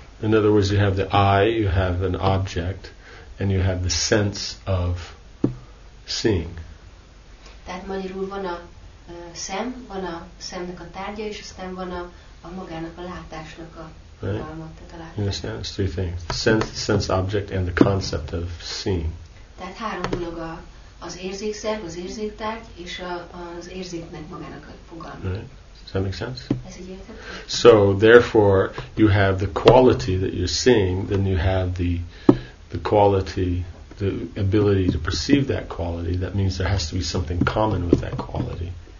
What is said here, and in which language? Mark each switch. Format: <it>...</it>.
<en>In other words, you have the eye, you have an object, and you have the sense of seeing.</en> <hu>Tehát magyarul van a szem, van a szemnek a tárgya, és aztán van a magának a látásnak a fogalma,</hu> <en>right?</en> <hu>Tehát a látás.</hu> <en>Three things. Sense object and the concept of seeing.</en> <hu>Tehát három dolog, az érzékszerv, az érzéktárgy, és az érzéknek magának a fogalma.</hu> <en>Right. Does that make sense? So, therefore, you have the quality that you're seeing, then you have the quality, the ability to perceive that quality. That means there has to be something common with that quality.</en>